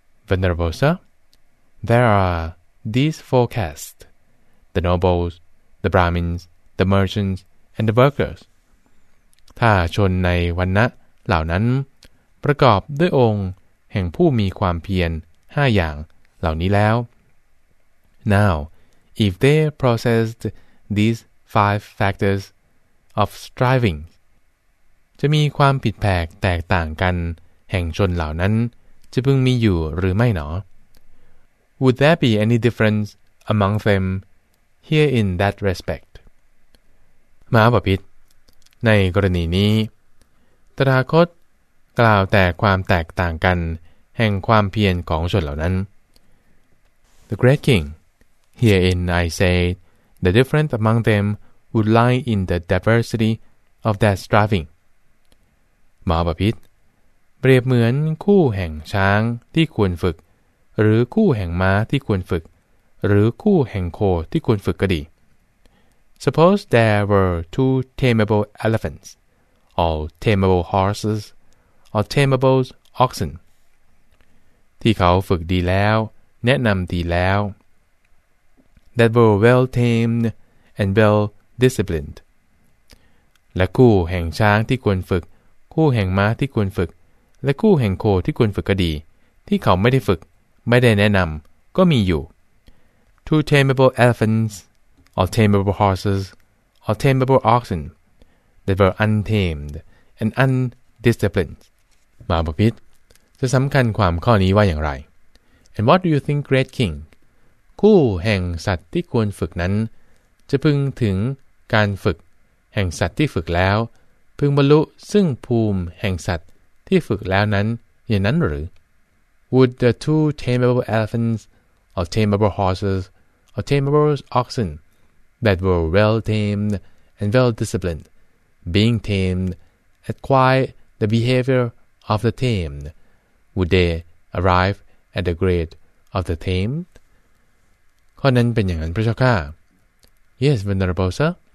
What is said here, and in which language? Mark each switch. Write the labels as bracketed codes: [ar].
[en] Venerable Sir, there are these four castes: the nobles, the Brahmins, the merchants, and the workers. [th] ถ้าชนในวรรณะเหล่านั้นประกอบด้วยองค์แห่งผู้มีความเพียร5อย่างเหล่านี้แล้ว [en] Now, if they processed these five factorsOf striving [th] จะมีความผิดแผกแตกต่างกันแห่งชนเหล่านั้นจะพึงมีอยู่หรือไม่หน [en] อ Would there be any difference among them here in that respect [th] มหาบพิตรในกรณีนี้ตถาคตกล่าวแต่ความแตกต่างกันแห่งความเพียรของชนเหล่านั้น [en] The great king herein I say the difference among themwould lie in the diversity of that striving. [th] มหาบพิตรเปรียบเหมือนคู่แห่งช้างที่ควรฝึกหรือคู่แห่งม้าที่ควรฝึกหรือคู่แห่งโคที่ควรฝึกก็ดี [en] Suppose there were two tameable elephants, or tameable horses, or tameable oxen. [th] ที่เขาฝึกดีแล้วแนะนำดีแล้ว [en] That were well tamed and well disciplined [th] และคู่แห่งช้างที่ควรฝึกคู่แห่งม้าที่ควรฝึกและคู่แห่งโคที่ควรฝึกก็ดีที่เขาไม่ได้ฝึกไม่ได้แนะนำก็มีอยู่ [en] two tameable elephants or tameable horses or tameable oxen that were untamed and undisciplined [th] มาบพิตรจะสำคัญความข้อนี้ว่าอย่างไร [en] and what do you think great king [th] คู่แห่งสัตว์ที่ควรฝึกนั้นจะพึงถึงการฝึกแห่งสัตว์ที่ฝึกแล้วพึงบรรลุซึ่งภูมิแห่งสัตว์ ที่ฝึกแล้วนั้นอย่างนั้นหรือ [en] Would the two tameable elephants or tameable horses or tameable oxen that were well tamed and well disciplined being tamed acquire the behavior of the tamed would they arrive at the grade of the tamed [th] ข้อนั้นเป็นอย่างนั้นพระเจ้าค่ะ [en] Yes venerable sir